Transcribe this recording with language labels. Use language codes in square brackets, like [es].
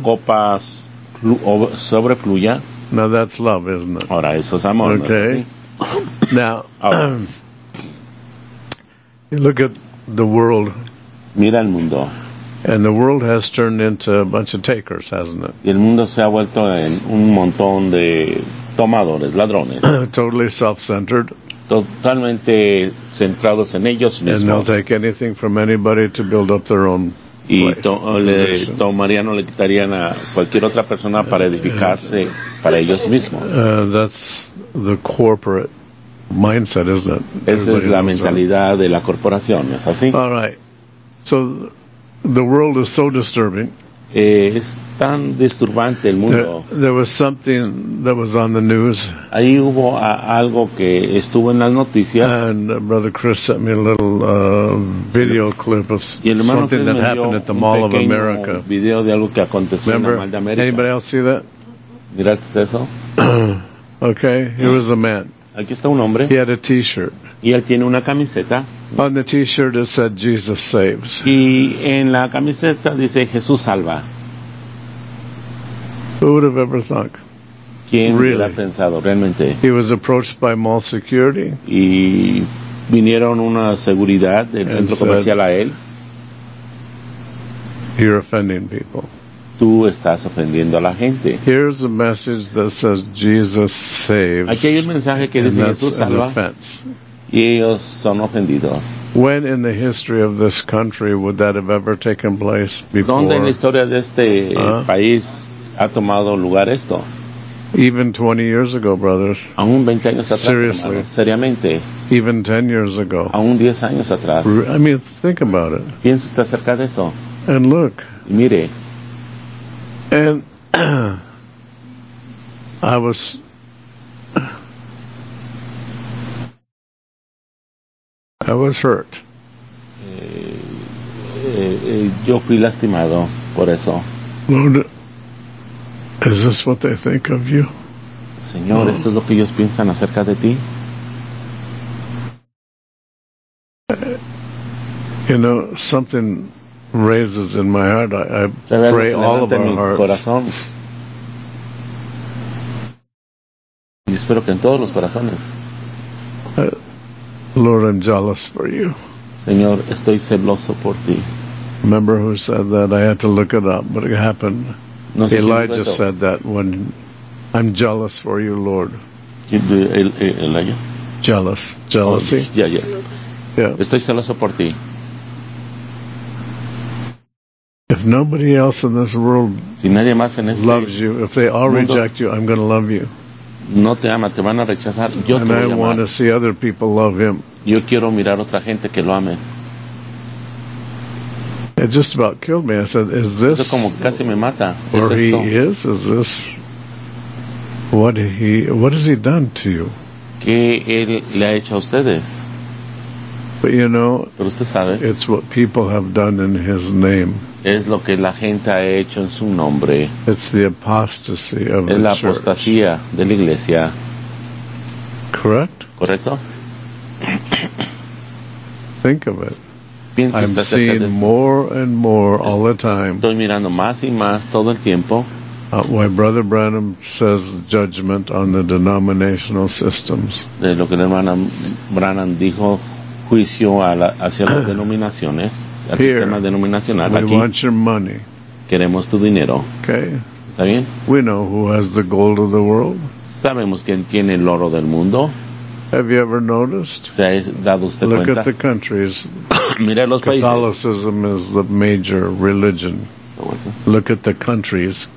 [es] Quiero que tu copa sobrefluya. [en] Now that's love, isn't it? [es] Ahora eso es amor. [en] Okay. [es] ¿No? [en] Now. You look at the world. [es] Mira el mundo. [en] And the world has turned into a bunch of takers, hasn't it? [es] Y el mundo se ha vuelto en un montón de tomadores, ladrones. [en] Totally self-centered. [es] Totalmente centrados en ellos mismos. [en] And they'll take anything from anybody to build up their own [es] y [en] place. [es] Le tomarían o le quitarían a cualquier otra persona para edificarse para ellos mismos. [en] That's the corporate mindset, isn't it? [es] Esa es la mentalidad de la corporación, ¿es así? [en] All right. So the world is so disturbing. [es] Es tan disturbante el mundo. [en] There was something that was on the news. [es] Ahí hubo algo que estuvo en las noticias. [en] And Brother Chris sent me a little video clip of something that happened at the Mall of America. [es] Video de algo que aconteció [en] Remember, [es] en el Mall de América. [en] Anybody else see that? [es] ¿Miraste eso? [en] Okay, here was a man. [es] Aquí está un hombre. [en] He had a t-shirt. [es] Y él tiene una camiseta. [en] On the t-shirt it said Jesus saves. [es] Y en la camiseta dice Jesús salva. [en] Who would have ever thought? [es] ¿Quién [en] really? [es] Pensado, realmente? [en] He was approached by mall security. [es] Y vinieron una seguridad del centro comercial a él. [en] You're offending people. [es] Tú estás ofendiendo a la gente. [en] Here's a message that says Jesus saves. [es] Aquí hay un mensaje que dice Jesús salva. Y ellos son ofendidos. [en] When in the history of this country would that have ever taken place before? [es] ¿Dónde en la historia de este país ha tomado lugar esto? [en] Even 20 years ago, brothers. [es] Aún 20 años atrás. [en] Seriously. [es] Hermanos, seriamente. [en] Even 10 years ago. [es] Aún 10 años atrás. [en] I mean, think about it. [es] Piensa usted acerca de eso. [en] And look. [es] Y mire. [en] And I was. I was hurt. [es] Yo fui lastimado por eso. [en] Lord, is this what they think of you? [es] Señor, esto es lo que ellos piensan acerca de ti. [en] You know, something raises in my heart. I pray all of our hearts. [es] Corazón. Y espero que en todos los corazones. [en] Lord, I'm jealous for you. [es] Señor, estoy celoso por ti. [en] Remember who said that? I had to look it up, but it happened. [es] No sé, [en] Elijah said that when I'm jealous for you, Lord. Elijah? Jealous. Jealousy? Oh, yeah, yeah. Yeah. [es] Estoy celoso por ti. [en] If nobody else in this world [es] si nadie más en este [en] loves you, if they all [es] mundo, [en] reject you, I'm going to love you. [es] No te ama, te van a rechazar. Yo [en] and [es] te voy [en] I [es] a amar. [en] Want to see other people love him. [es] Yo quiero mirar otra gente que lo ame. [en] It just about killed me. I said, is this [es] esto como casi me mata. [en] Where [es] ¿es [en] he is? Is this what has he done to you? [es] ¿Qué él le ha hecho a ustedes? [en] But you know, [es] pero usted sabe, [en] it's what people have done in his name. [es] Es lo que la gente ha hecho en su nombre. [en] It's the apostasy of [es] es [en] the [es] la apostasía church. De la iglesia. [en] Correct? [es] Correcto. [en] Think of it. [es] Piense [en] I'm seeing more and more all the time. [es] Estoy mirando más y más todo el tiempo. [en] Why Brother Branham says judgment on the denominational systems. [es] De lo que el hermano Branham dijo juicio a la, hacia las denominaciones, al [en] here, [es] sistema denominacional. [en] We [es] aquí, [en] want your money. [es] Queremos tu dinero. [en] Okay. [es] ¿Está bien? [en] We know who has the gold of the world. [es] Sabemos quién tiene el oro del mundo. [en] Have you ever noticed? [es] ¿Se ha dado usted [en] look [es] cuenta? [en] At the countries. [es] Mira los países. [en] Catholicism is the major religion. Look at the countries.